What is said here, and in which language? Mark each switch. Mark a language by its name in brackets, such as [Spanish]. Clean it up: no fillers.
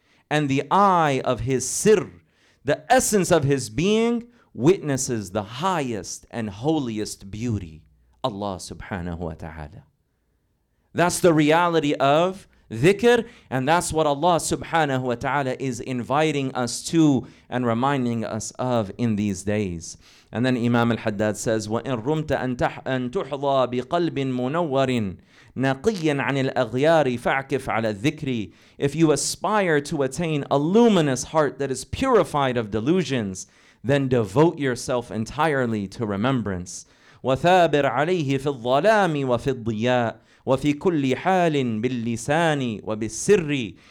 [English] And the eye of his sir, the essence of his being, witnesses the highest and holiest beauty, Allah subhanahu wa ta'ala. That's the reality of dhikr, and that's what Allah subhanahu wa ta'ala is inviting us to and reminding us of in these days. And then Imam al-Haddad says, [Arabic] وَإِن رُمْتَ أَن تُحْظَى بِقَلْبٍ مُنَوَّرٍ نَقِيًّا عَنِ الْأَغْيَارِ فَعْكِفْ عَلَى الذِّكْرِ. [English] If you aspire to attain a luminous heart that is purified of delusions, then devote yourself entirely to remembrance. [Arabic] وَثَابِرْ عَلَيْهِ فِي الظَّلَامِ وَفِي الضِّيَاءِ وَفِي كُلِّ حَالٍ بِاللِّسَانِ وَبِالسِّرِّ.